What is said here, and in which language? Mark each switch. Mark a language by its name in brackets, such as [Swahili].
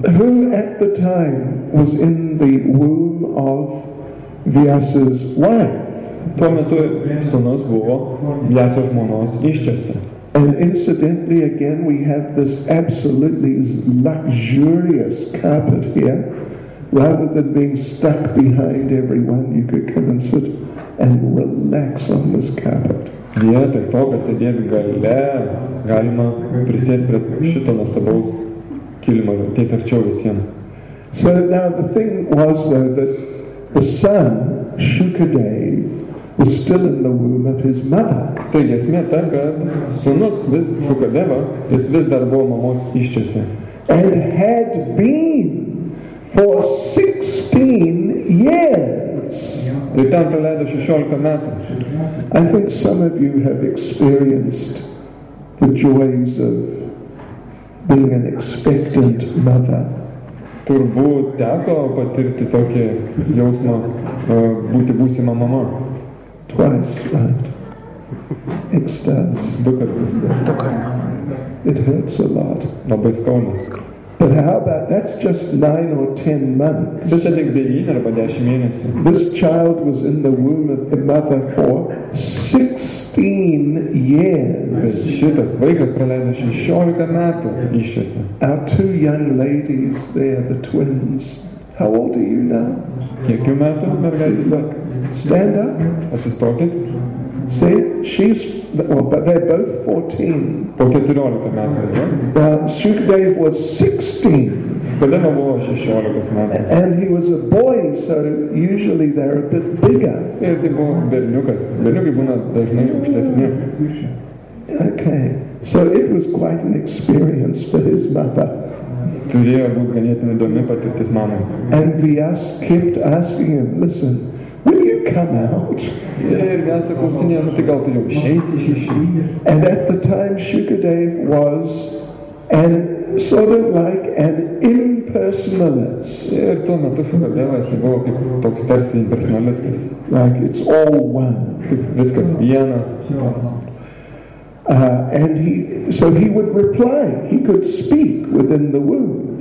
[English] Who at the time was in the womb of Vyasa's wife? [Lithuanian] Tuo metu sūnus buvo Vyaso žmonos įsčiose. [English] And incidentally, again, we have this absolutely luxurious carpet here. Rather than being stuck behind everyone, you could come and sit and relax on this carpet. [Lithuanian] Vietoj to, kad sėdėti gale, galima prisėsti prie šito nuostabaus kilimo, tai tarčiau visiems. [English] So now the thing was though that the son, Shukadev, was still in the womb of his mother. [Lithuanian] Taigi esmė ta, kad sūnus vis Shukadeva, jis vis dar buvo mamos įsčiose. [English] And had been for 16 years. [Lithuanian] Ir ten praleido 16 metų. [English] I think some of you have experienced the joys of being an expectant mother. [Lithuanian] Turbūt teko patirti tokį jausmą būti būsima mama. [English] Twice, right? Extas. [Lithuanian] Du kartus. [English] It hurts a lot. [Lithuanian] Labai skauna. [English] But how about, that's just 9 or 10 months. [Lithuanian] Bet čia tik 9 arba 10 mėnesių. [English] This child was in the womb of the mother for 16 years. [Lithuanian] Bet šitas vaikas praleido 16 metų iščiose. [English] Our two young ladies there, the twins, how old are you now? [Lithuanian] Kiek jų metų, mergaitė? [English] Look, stand up. [Lithuanian] Atsistokit. [English] See, she's, well, but they're both 14. [Lithuanian] Po 14 metų, jo? [English] Shukadev was 16. [Lithuanian] Shukadeva buvo 16 metų. [English] And he was a boy, so usually they're a bit bigger. [Lithuanian] Ir tai buvo berniukas. Berniukai būna dažnai aukštesni. [English] Okay, so it was quite an experience for his mother. [Lithuanian] Turėjo būti ganėtinai įdomi patirtis mamai. [English] And Vyas kept asking him, listen, will you come out? [Lithuanian] Ir Vyas klausinėjo, nu tai gal tu jau išeisi iš išėjų. [English] And at the time Shukadev was an, sort of like an impersonalist. [Lithuanian] Ir tuo metu Shukadevas buvo kaip toks tarsi impersonalistas. [English] Like it's all one. [Lithuanian] Kaip viskas viena. [English] And he would reply, he could speak within the womb.